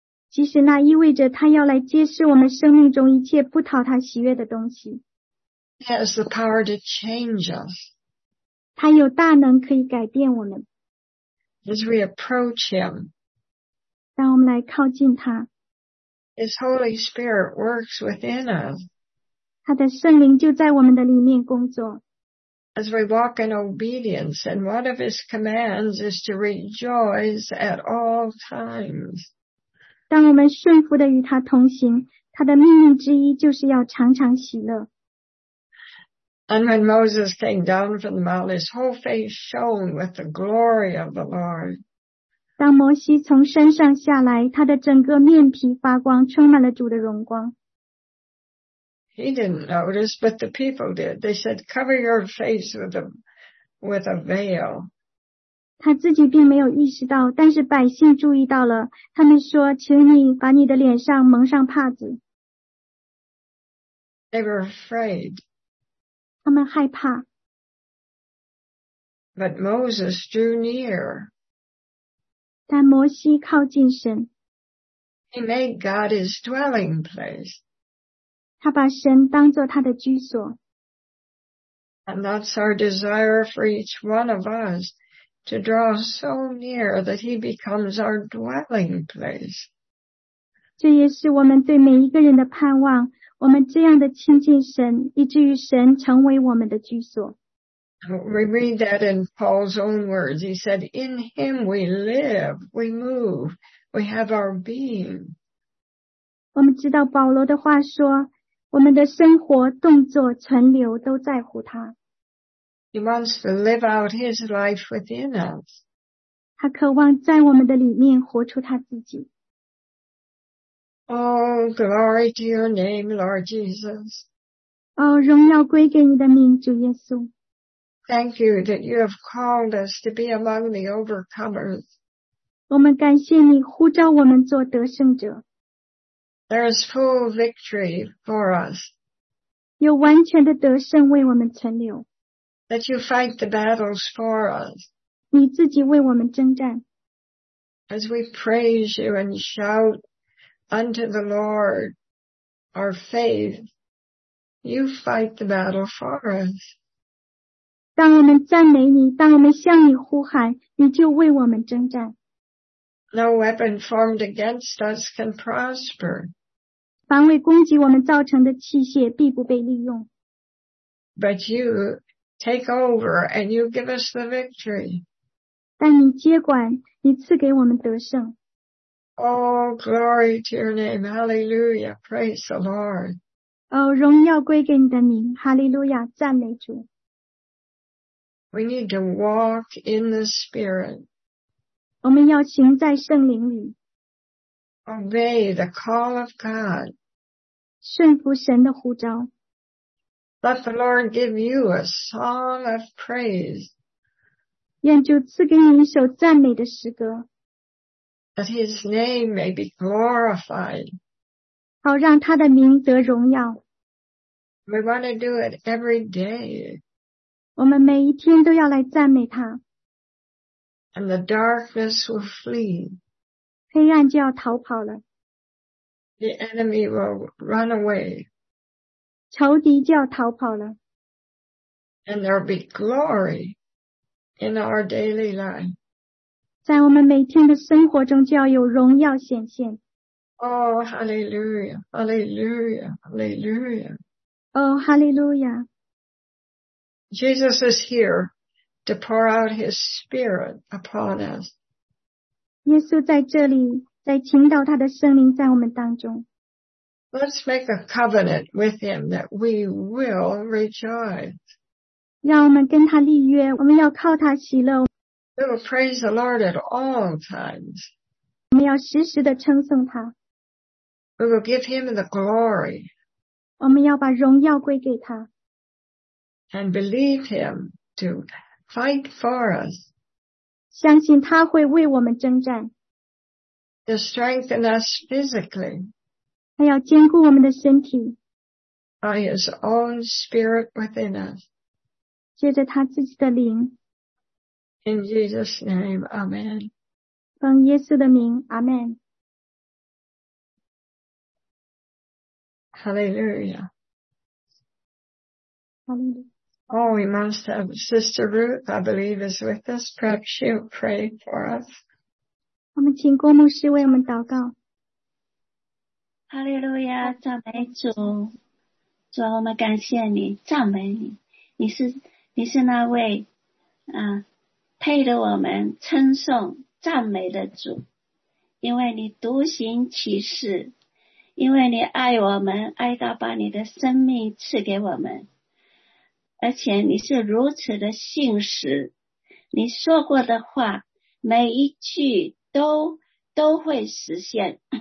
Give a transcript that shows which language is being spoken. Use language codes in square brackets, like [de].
[zh] 即使那意味着他要来揭示我们生命中一切不讨他喜悦的东西。 [en] He has the power to change us. [zh] 他有大能可以改变我们。 [en] As we approach him. [zh] 让我们来靠近他。 [en] His Holy Spirit works within us. [zh] 他的圣灵就在我们的里面工作。 [en] As we walk in obedience, and one of his commands is to rejoice at all times. [zh] 当我们顺服地与他同行，他的命令之一就是要常常喜乐。 [en] And when Moses came down from the mount, his whole face shone with the glory of the Lord. [zh] 当摩西从山上下来，他的整个面皮发光，充满了主的荣光。 [en] He didn't notice, but the people did. They said, cover your face with a veil. [zh] 他自己并没有意识到，但是百姓注意到了，他们说，请你把你的脸上蒙上帕子。 [en] They were afraid. [zh] 他们害怕。 [en] But Moses drew near. [zh] 但摩西靠近神。 [en] He made God his dwelling place. [zh] 他把神当作他的居所。 [en] And that's our desire for each one of us, to draw so near that he becomes our dwelling place. [zh] 这也是我们对每一个人的盼望，我们这样的亲近神，以至于神成为我们的居所。 [en] We read that in Paul's own words. He said, in him we live, we move, we have our being. [zh] 我们知道保罗的话说，我们的生活、动作、存留都在乎他。 [en] He wants to live out his life within us. [zh] 他渴望在我们的里面活出他自己。 [en] Oh, glory to your name, Lord Jesus. [zh] 哦，荣耀归给你的名，主耶稣。 [en] Thank you that you have called us to be among the overcomers. [zh] 我们感谢你呼召我们做得胜者。 [en] There is full victory for us. [zh] 有完全的得胜为我们存留。 [en] That you fight the battles for us. [zh] 你自己为我们征战。 [en] As we praise you and shout unto the Lord our faith, you fight the battle for us. [zh] 当我们赞美你，当我们向你呼喊，你就为我们征战。 [en] No weapon formed against us can prosper. [zh] 凡为攻击我们造成的器械必不被利用。 [en] But you take over and you give us the victory. [zh] 但你接管，你赐给我们得胜。 [en] Oh, glory to your name, hallelujah, praise the Lord. [zh] 哦，荣耀归给你的名，哈利路亚，赞美主。 [en] We need to walk in the Spirit. [zh] 我们要行在圣灵里。 [en] Obey the call of God. [zh] 顺服神的呼召。 [en] Let the Lord give you a song of praise. [zh] 愿主赐给你一首赞美的诗歌。 [en] That his name may be glorified. [zh] 好让他的名得荣耀。 [en] We want to do it every day. [zh] 我们每一天都要来赞美他。 [en] And the darkness will flee. [zh] 黑暗就要逃跑了。 [en] The enemy will run away. [zh] 仇敌就要逃跑了。 [en] And there'll be glory in our daily life. [zh] 在我们每天的生活中就要有荣耀显现。 [en] Oh, hallelujah, hallelujah, hallelujah. Oh, hallelujah. Jesus is here to pour out his spirit upon us. [zh] 耶稣在这里，在倾倒他的圣灵在我们当中。 [en] Let's make a covenant with him that we will rejoice. [zh] 让我们跟他立约，我们要靠他喜乐。 [en] We will praise the Lord at all times. [zh] 我们要时时地称颂他。 [en] We will give him the glory. [zh] 我们要把荣耀归给他。 [en] And believe him to fight for us. [zh] 相信他会为我们征战。 [en] To strengthen us physically. [zh] 他要坚固我们的身体 [en] by his own spirit within us [zh] 借着他自己的灵 [en] in Jesus name, Amen [zh] 奉耶稣的名 Amen [en] Hallelujah Hallelujah Oh, we must have Sister Ruth, I believe, is with us. Perhaps she'll pray for us [zh] 我们请郭牧师为我们祷告哈利路亚，赞美主，主啊，我们感谢你，赞美你，你是那位啊，配得我们称颂赞美的主，因为你独行其事，因为你爱我们，爱到把你的生命赐给我们，而且你是如此的信实，你说过的话，每一句都会实现。